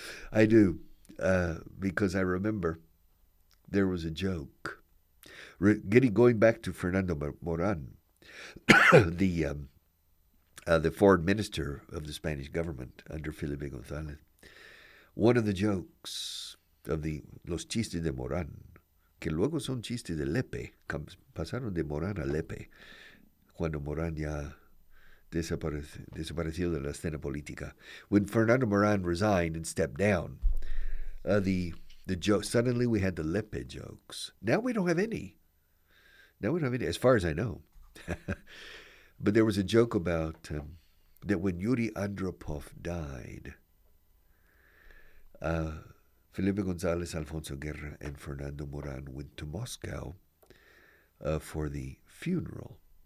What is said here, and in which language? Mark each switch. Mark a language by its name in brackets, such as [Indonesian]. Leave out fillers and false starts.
[English] I do. Because I remember there was a joke. Going back to Fernando Moran, the foreign minister of the Spanish government under Felipe González. One of the jokes [Spanish] los chistes de Morán, que luego son chistes de Lepe, pasaron de Morán a Lepe, cuando Morán ya desapareció de la escena política. [English] When Fernando Morán resigned and stepped down, suddenly we had the Lepe jokes. Now we don't have any. Now we don't have any, as far as I know. But there was a joke about that when Yuri Andropov died, Felipe González, Alfonso Guerra, and Fernando Morán went to Moscow for the funeral.